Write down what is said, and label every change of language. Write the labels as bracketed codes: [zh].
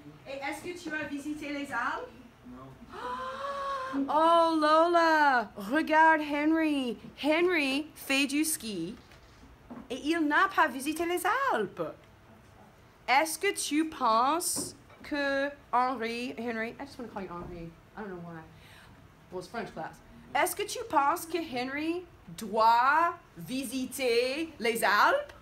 [fr] Et est-ce que tu as visité les Alpes? Non. Oh, Lola, regarde Henry. Henry fait du ski. Et il n'a pas visité les Alpes. Est-ce que tu penses que... [en] que Henri, Henry, I just want to call you Henri. I don't know why. Well, it's French class. [fr] Est-ce que tu penses que Henry doit visiter les Alpes?